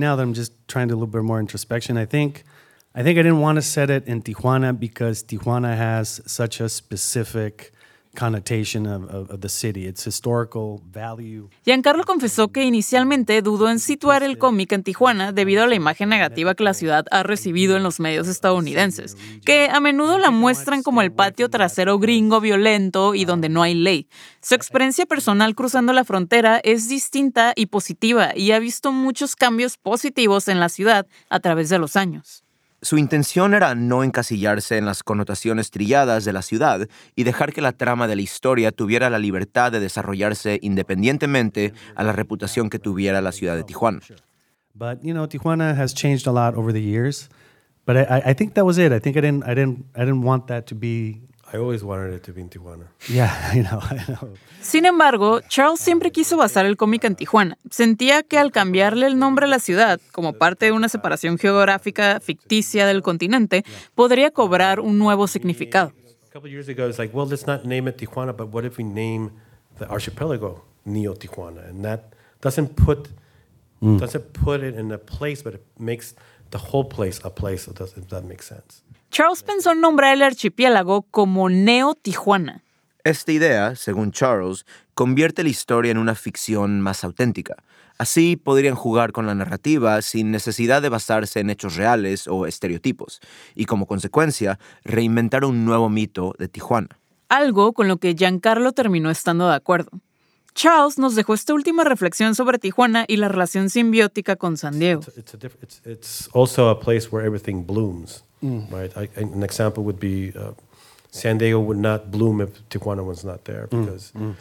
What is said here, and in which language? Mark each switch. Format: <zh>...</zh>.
<en>I think I didn't want to set it in Tijuana because Tijuana has such a specific connotation of the city. Its historical value.</en> <es>Giancarlo confesó que inicialmente dudó en situar el cómic en Tijuana debido a la imagen negativa que la ciudad ha recibido en los medios estadounidenses, que a menudo la muestran como el patio trasero gringo violento y donde no hay ley. Su experiencia personal cruzando la frontera es distinta y positiva y ha visto muchos cambios positivos en la ciudad a través de los años. Su intención era no encasillarse en las connotaciones trilladas de la ciudad y dejar que la trama de la historia tuviera la libertad de desarrollarse independientemente a la reputación que tuviera la ciudad de Tijuana.</es> <en>But you know, Tijuana has changed a lot over the years. But I think that was it. I think I didn't want that to be. I always wanted it to be in Tijuana. Yeah, I know.</en> <es>Sin embargo, Charles siempre quiso basar el cómic en Tijuana. Sentía que al cambiarle el nombre a la ciudad, como parte de una separación geográfica ficticia del continente, podría cobrar un nuevo significado.</es> <en>A couple years ago, it's like, well, let's not name it Tijuana, but what if we name the archipelago Neo Tijuana? And that doesn't put it in a place, but it makes the whole place a place, if that makes sense.</en> <es>Charles pensó en nombrar el archipiélago como Neo Tijuana. Esta idea, según Charles, convierte la historia en una ficción más auténtica. Así podrían jugar con la narrativa sin necesidad de basarse en hechos reales o estereotipos, y como consecuencia, reinventar un nuevo mito de Tijuana. Algo con lo que Giancarlo terminó estando de acuerdo. Charles nos dejó esta última reflexión sobre Tijuana y la relación simbiótica con San Diego.</es> <en>It's also a place where everything blooms, right? An example would be San Diego would not bloom if Tijuana was not there, because</en>